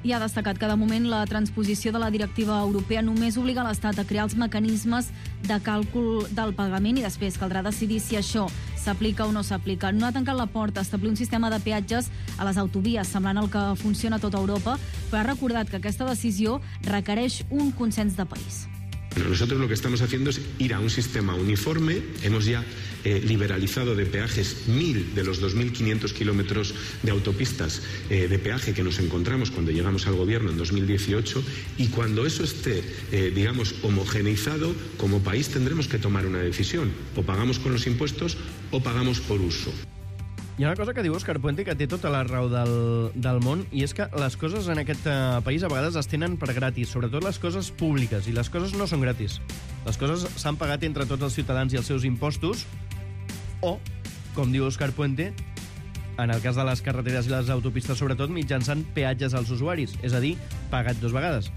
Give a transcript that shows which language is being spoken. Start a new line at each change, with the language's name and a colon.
Catalan: I ha destacat que, de moment, la transposició de la directiva europea només obliga l'Estat a crear els mecanismes de càlcul del pagament i després caldrà decidir si això s'aplica o no s'aplica. No ha tancat la porta a establir un sistema de peatges a les autovies, semblant al que funciona a tota Europa, però ha recordat que aquesta decisió requereix un consens de país.
Spanish: Pero nosotros lo que estamos haciendo es ir a un sistema uniforme. Hemos ya liberalizado de peajes 1.000 de los 2.500 kilómetros de autopistas de peaje que nos encontramos cuando llegamos al gobierno en 2018. Y cuando eso esté, digamos, homogeneizado, como país tendremos que tomar una decisión. O pagamos con los impuestos o pagamos por uso.
Catalan: Hi ha una cosa que diu Òscar Puente que té tota la raó del món i és que les coses en aquest país a vegades es tenen per gratis, sobretot les coses públiques, i les coses no són gratis. Les coses s'han pagat entre tots els ciutadans i els seus impostos o, com diu Òscar Puente, en el cas de les carreteres i les autopistes, sobretot mitjançant peatges als usuaris, és a dir, pagat dues vegades.